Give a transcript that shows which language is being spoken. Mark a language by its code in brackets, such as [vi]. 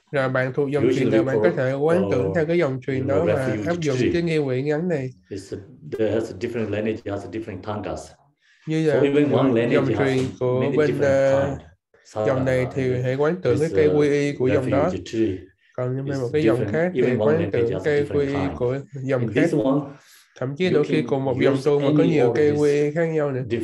[vi] Rồi bạn thuộc dòng truyền nào, bạn có thể quán tưởng theo cái dòng truyền đó và áp dụng cái nghi quỹ ngắn này. [en] There has a different lineage, has a different tankas. [vi] Như vậy, [en] so even one lineage [vi] dòng truyền của bên dòng này thì hãy quán tưởng cái cây quy y của dòng đó. Còn nếu mà một cái dòng khác thì quán tưởng cây quy y của dòng khác. Thậm chí đôi khi cùng một dòng tu mà có nhiều cây quy y khác nhau nữa.